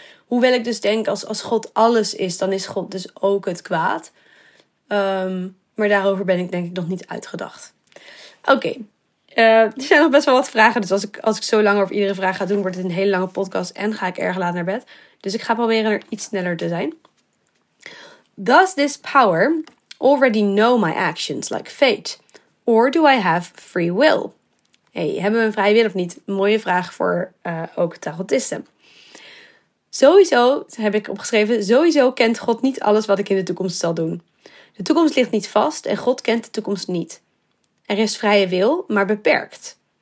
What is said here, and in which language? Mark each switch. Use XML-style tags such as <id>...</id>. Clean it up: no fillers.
<nl>Hoewel ik dus denk als God alles is, dan is God dus ook het kwaad. Maar daarover ben ik denk ik nog niet uitgedacht. Oké, er zijn nog best wel wat vragen. Dus als ik zo lang over iedere vraag ga doen, wordt het een hele lange podcast en ga ik erg laat naar bed. Dus ik ga proberen er iets sneller te zijn.</nl> <en>Does this power already know my actions like fate? Or do I have free will?</en> <nl>Hey, hebben we een vrije wil of niet? Mooie vraag voor ook tarotisten. Sowieso, heb ik opgeschreven, sowieso kent God niet alles wat ik in de toekomst zal doen. De toekomst ligt niet vast en God kent de toekomst niet. Er is vrije wil, maar beperkt.</nl>